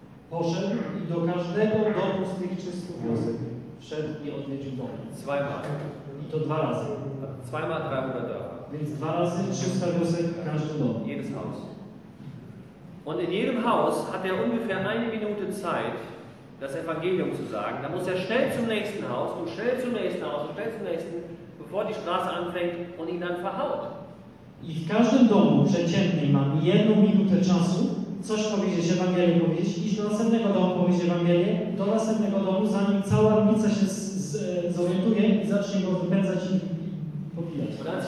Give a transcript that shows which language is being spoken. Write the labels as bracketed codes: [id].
[pl] Poszedł i do każdego domu z tych 300 wiosek wszedł i odwiedził dom. [de] Zweimal. [pl] I to 2 razy. [de] Zweimal 300 Dörfer. [pl] Więc 2 razy 300 wiosek w każdym domu. [de] Jedes Haus. Und in jedem Haus hat er ungefähr eine Minute Zeit, das Evangelium zu sagen. Da muss er schnell zum nächsten Haus und schnell zum nächsten Haus und schnell zum nächsten, bevor die Straße anfängt und ihn dann verhaut. [pl] I w każdym domu przeciętnie ma 1 minutę czasu, coś powiedzieć, Ewangelię powiedzieć, iść do następnego domu, powiedzieć Ewangelię, do następnego domu, zanim cała rodzica się zorientuje i zacznie go wypędzać i popijać.